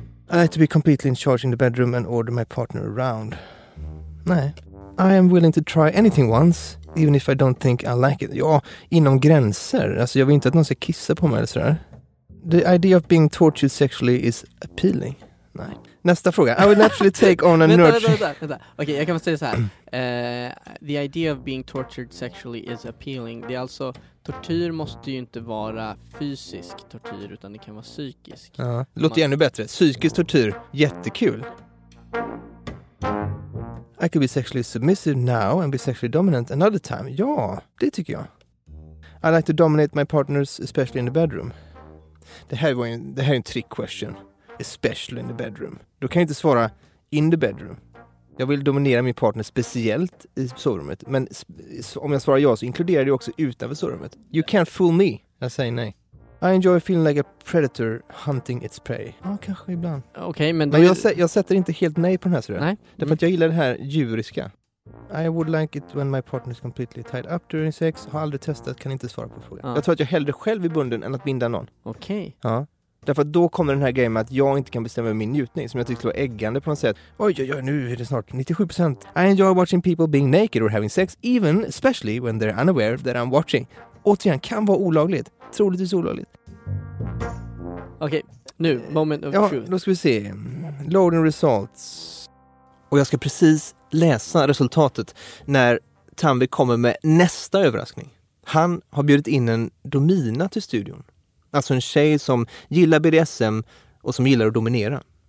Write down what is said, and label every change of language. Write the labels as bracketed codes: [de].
[en] I like to be completely in charge in the bedroom and order my partner around. [sv] Nej. [en] I am willing to try anything once, even if I don't think I like it. [sv] Ja, inom gränser. Alltså, jag vill inte att någon ska kissa på mig eller sådär. [en] The idea of being tortured sexually is appealing. [sv] Nej. Nästa fråga. [en] I would naturally take on a nurturing... [sv] Vänta. Okej, jag kan säga så här. [en] The idea of being tortured sexually is appealing. [sv] Det är alltså... Tortyr måste ju inte vara fysisk tortyr, utan det kan vara psykisk. Ja, låter ännu bättre. Psykisk tortyr. Jättekul. [en] I could be sexually submissive now and be sexually dominant another time. [sv] Ja, det tycker jag. [en] I like to dominate my partners, especially in the bedroom. [sv] Det här är en [en] trick question. Especially in the bedroom. [sv] Då kan jag inte svara [en] in the bedroom. [sv] Jag vill dominera min partner speciellt i sovrummet. Men om jag svarar ja så inkluderar det också utanför sovrummet. [en] You can't fool me. [sv] Jag säger nej. [en] I enjoy feeling like a predator hunting its prey. [sv] Ja, kanske ibland. Okej, okay, men... Men jag sätter inte helt nej på den här, sådär. Nej. Därför att jag gillar det här djuriska. [en] I would like it when my partner is completely tied up during sex. [sv] Har aldrig testat, kan inte svara på frågan. Jag tror att jag hellre själv i bunden än att binda någon. Okej. Okay. Ja. Därför att då kommer den här grejen med att jag inte kan bestämma min njutning. Som jag tyckte var äggande på något sätt. Oj, nu är det snart 97%. [en] I enjoy watching people being naked or having sex. Even, especially when they're unaware that I'm watching. [sv] Återigen, kan vara olagligt. Troligtvis olagligt. [en] Okej, okay, nu, moment of truth. [sv] Ja, då ska vi se. [en] Loading results. [sv] Och jag ska precis läsa resultatet när Tanvi kommer med nästa överraskning. Han har bjudit in en domina till studion. Alltså en tjej som gillar BDSM och som gillar att dominera.